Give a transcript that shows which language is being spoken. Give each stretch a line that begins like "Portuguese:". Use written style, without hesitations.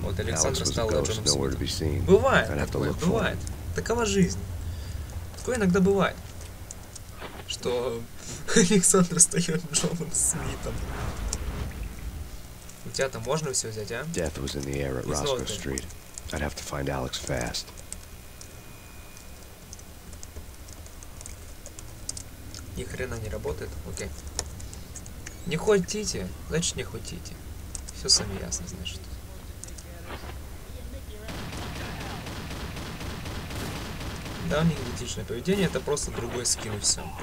Russian: Вот Александр стал Джоном Смитом. Бывает, такое, бывает. Такова жизнь. Такое иногда бывает. Что Александр стает Джоном Смитом. У тебя там можно все взять, а?
English: Death was in the air at Roscoe Street. I'd have to find Alex fast.
Russian: Ни хрена не работает, окей. Не хотите, значит не хотите. Все сами ясно, значит. Да, у них идентичное поведение, это просто другой скин и все.